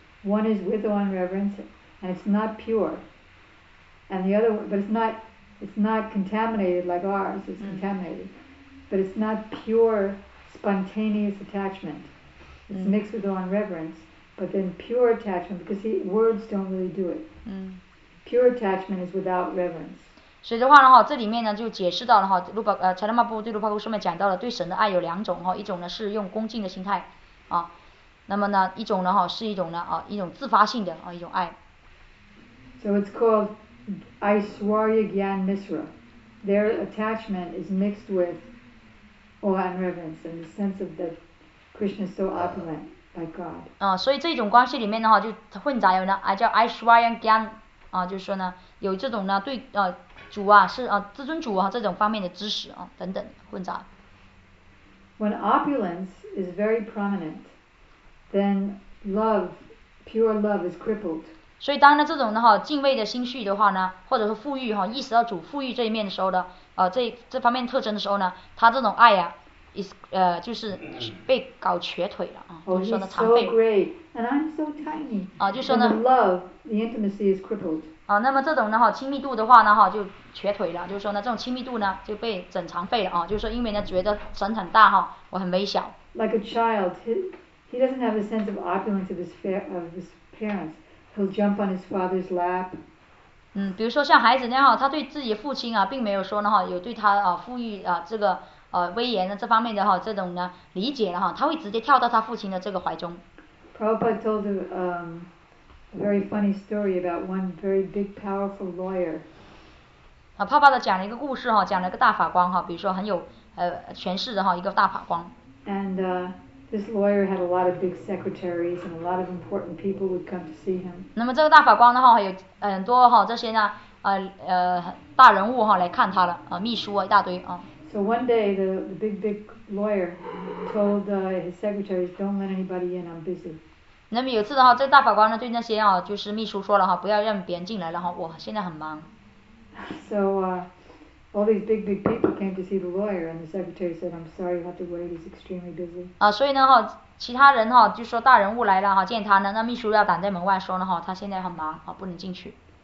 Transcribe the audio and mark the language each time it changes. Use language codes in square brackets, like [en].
[en] One is with one reverence, and it's not pure. And the other, but it's not contaminated like ours. It's contaminated, but it's not pure, spontaneous attachment. It's mixed with one reverence, but then pure attachment, because see, words don't really do it. Pure attachment is without reverence. [zh] 所以的话呢，这里面呢就解释到了哈，查德玛布对卢帕库上面讲到了对神的爱有两种哈，一种呢是用恭敬的心态啊，那么呢一种呢哈是一种呢啊一种自发性的啊一种爱。 [en] So it's called Aishwarya Gyan Misra. Their attachment is mixed with awe and reverence and the sense of that Krishna is so opulent by God. [zh] 啊，所以这种关系里面的话就混杂有呢啊叫 Aishwarya Gyan 啊，就是说呢有这种呢对啊。主啊，是啊，至尊主啊，这种方面的知识啊，等等混杂。 [en] When opulence is very prominent, then love, pure love, is crippled. [zh] 所以当呢这种呢哈敬畏的心绪的话呢，或者说富裕哈意识到主富裕这一面的时候呢，这方面特征的时候呢，他这种爱啊 ，is 就是被搞瘸腿了啊，就是说呢残废。 [en] Oh, he's so great, and I'm so tiny. [zh] 啊，就说呢。 [en] And the love, the intimacy is crippled. [zh] 啊，那么这种呢哈，亲密度的话呢哈，就瘸腿了，就是说呢，这种亲密度呢就被整残废了啊，就是说因为呢觉得神很大哈，我很微小。 [en] Like a child, he doesn't have a sense of opulence of his parents. He'll jump on his father's lap. [zh] 比如说像孩子那样，他对自己父亲啊，并没有说呢哈，有对他啊富裕啊这个威严的这方面的哈这种呢理解了哈，他会直接跳到他父亲的这个怀中。 [en] Prabhupada told a very funny story about one very big powerful lawyer. [zh] 啊，帕帕的讲了一个故事哈，讲了一个大法官哈，比如说很有权势的哈一个大法官。 [en] And this lawyer had a lot of big secretaries and a lot of important people would come to see him. [zh] 那么这个大法官的话，有很多哈这些呢大人物哈来看他了啊，秘书啊一大堆啊。 [en] So one day the big lawyer told his secretaries, "Don't let anybody in. I'm busy." [zh] 那么有次的话，这大法官呢对那些啊，就是秘书说了哈，不要让别人进来，然后我现在很忙。 [en] So, all these big people came to see the lawyer, and the secretary said, "I'm sorry, you have to wait. He's extremely busy." [zh] 啊，所以呢哈，其他人哈就说大人物来了哈，见他呢，那秘书要挡在门外说呢哈，他现在很忙啊，不能进去。